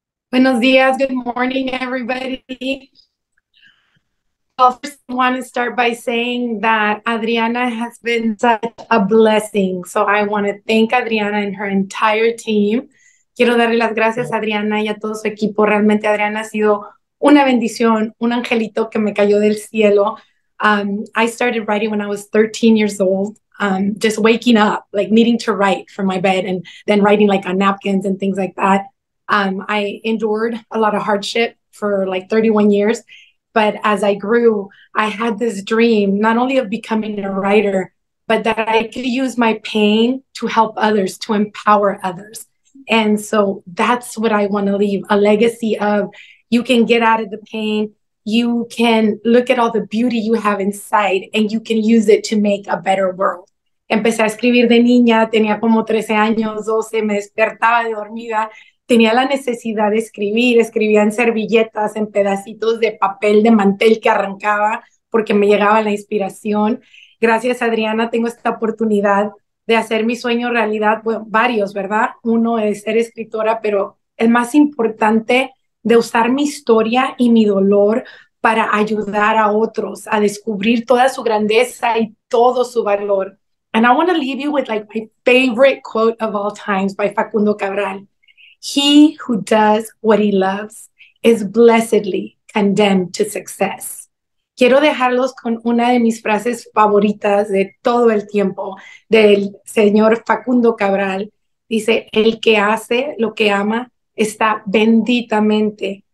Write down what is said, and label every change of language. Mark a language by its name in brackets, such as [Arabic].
[Spanish] Buenos dias. [English] Good morning, everybody. Well, first, I want to start by saying that Adriana has been such a blessing. So I want to thank Adriana and her entire team. [Spanish] Quiero darle las gracias a Adriana y a todo su equipo. Realmente, Adriana ha sido una bendición, un angelito que me cayó del cielo. [English] I started writing when I was 13 years old, just waking up, like needing to write from my bed and then writing like on napkins and things like that. I endured a lot of hardship for like 31 years. But as I grew, I had this dream, not only of becoming a writer, but that I could use my pain to help others, to empower others. And so that's what I want to leave, a legacy of you can get out of the pain, you can look at all the beauty you have inside, and you can use it to make a better world. [Spanish] Empecé a escribir de niña, tenía como 13 años, 12, me despertaba de dormida. Tenía la necesidad de escribir, escribía en servilletas, en pedacitos de papel, de mantel que arrancaba porque me llegaba la inspiración. Gracias, Adriana, tengo esta oportunidad de hacer mi sueño realidad, bueno, varios, ¿verdad? Uno es ser escritora, pero el más importante de usar mi historia y mi dolor para ayudar a otros a descubrir toda su grandeza y todo su valor. [English] And I want to leave you with like my favorite quote of all times by Facundo Cabral. He who does what he loves is blessedly condemned to success. [Spanish] Quiero dejarlos con una de mis frases favoritas de todo el tiempo del señor Facundo Cabral. Dice, el que hace lo que ama está benditamente